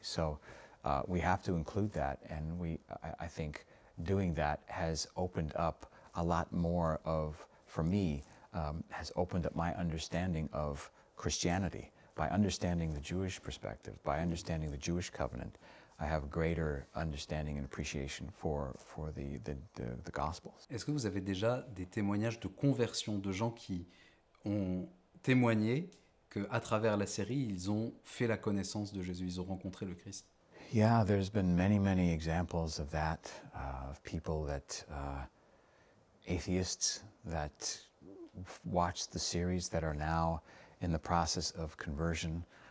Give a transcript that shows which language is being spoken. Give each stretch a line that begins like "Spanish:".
English: So we have to include that. And I think doing that has opened up a lot more of, for me, has opened up my understanding of Christianity. By understanding the Jewish perspective, by understanding the Jewish covenant, I have a greater understanding and appreciation for the Gospels.
French: Est-ce que vous avez déjà des témoignages de conversion de gens qui ont témoigné qu'à travers la série, ils ont fait la connaissance de Jésus, ils ont rencontré le Christ?
English: Yeah, there's been many, many examples of that, of people that, atheists that watched the series that are now in the process of conversion.